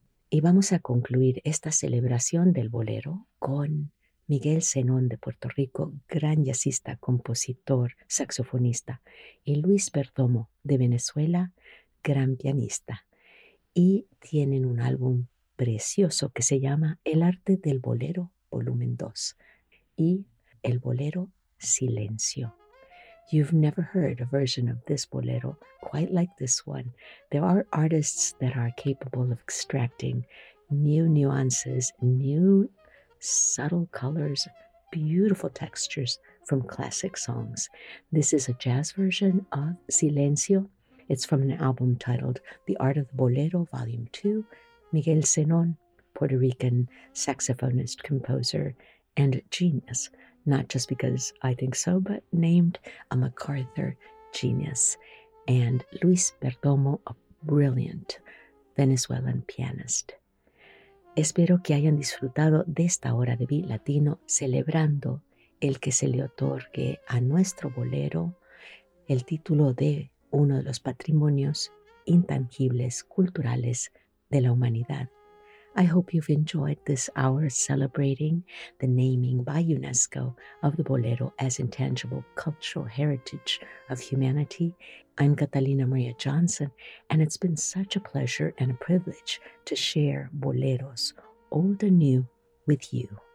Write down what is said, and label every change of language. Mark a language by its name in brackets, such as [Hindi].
[Spanish] Y vamos a concluir esta celebración del bolero con Miguel Zenón de Puerto Rico, gran jazzista, compositor, saxofonista, y Luis Perdomo de Venezuela, gran pianista. Y tienen un álbum precioso que se llama El Arte del Bolero, volumen 2, y El Bolero Silencio. [English] You've never heard a version of this bolero quite like this one. There are artists that are capable of extracting new nuances, new subtle colors, beautiful textures from classic songs. This is a jazz version of Silencio. It's from an album titled The Art of the Bolero, Volume 2. Miguel Zenón, Puerto Rican saxophonist, composer, and genius. Not just because I think so, but named a MacArthur genius. And Luis Perdomo, a brilliant Venezuelan pianist. [Spanish] Espero que hayan disfrutado de esta hora de Beat Latino celebrando el que se le otorgue a nuestro bolero el título de uno de los patrimonios intangibles culturales de la humanidad. [English] I hope you've enjoyed this hour celebrating the naming by UNESCO of the bolero as intangible cultural heritage of humanity. I'm Catalina Maria Johnson, and it's been such a pleasure and a privilege to share boleros, old and new, with you.